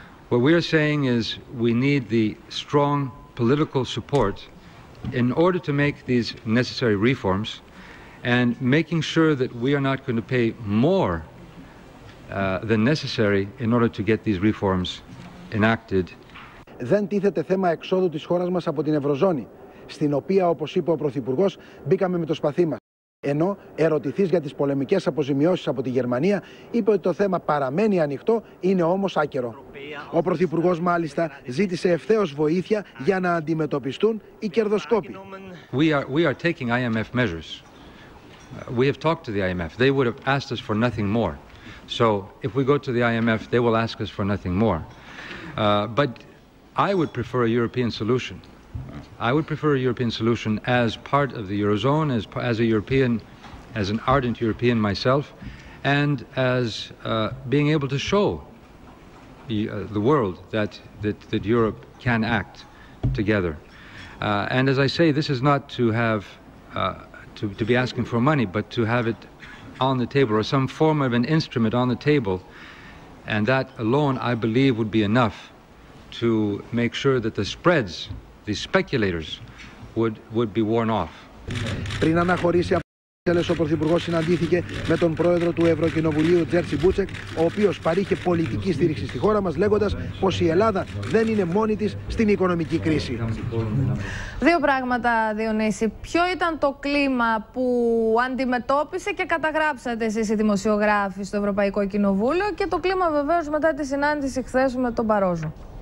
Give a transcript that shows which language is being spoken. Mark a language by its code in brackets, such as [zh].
[en] What we are saying is we need the strong political support in order to make these necessary reforms, and making sure that we are not going to pay more than necessary in order to get these reforms enacted. [el] Δεν τίθεται θέμα εξόδου της χώρας μας από την Ευρωζώνη. Στην οποία, όπως είπε ο Πρωθυπουργός, μπήκαμε με το σπαθί μας. Ενώ, ερωτηθείς για τις πολεμικές αποζημιώσεις από τη Γερμανία, είπε ότι το θέμα παραμένει ανοιχτό, είναι όμως άκερο. Ο Πρωθυπουργός, μάλιστα, ζήτησε ευθέως βοήθεια για να αντιμετωπιστούν οι κερδοσκόποι. [en] We are taking IMF measures. We have talked to the IMF. They would have asked us for nothing more. So, if we go to the IMF, they will ask us for nothing more. But I would prefer a European solution. I would prefer a European solution as part of the Eurozone, as a European, as an ardent European myself, and as being able to show the world that Europe can act together. And as I say, this is not to have to be asking for money, but to have it on the table or some form of an instrument on the table, and that alone, I believe, would be enough to make sure that the spreads. The speculators would be worn off. [el] Πριν αναχωρήσει από τις Βρυξέλλες, ο Πρωθυπουργός συναντήθηκε με τον πρόεδρο του Ευρωκοινοβουλίου, Τζέρσι Μπούτσεκ, ο οποίος παρήχε πολιτική στήριξη στη χώρα μας, λέγοντας πως η Ελλάδα δεν είναι μόνη της στην οικονομική κρίση. Δύο πράγματα, Διονύση. Ποιο ήταν το κλίμα που αντιμετώπισε και καταγράψατε εσείς οι δημοσιογράφοι στο Ευρωπαϊκό Κοινοβούλιο και το κλίμα βεβαίως μετά τη συνάντηση χθες με τον Μπαρόζο?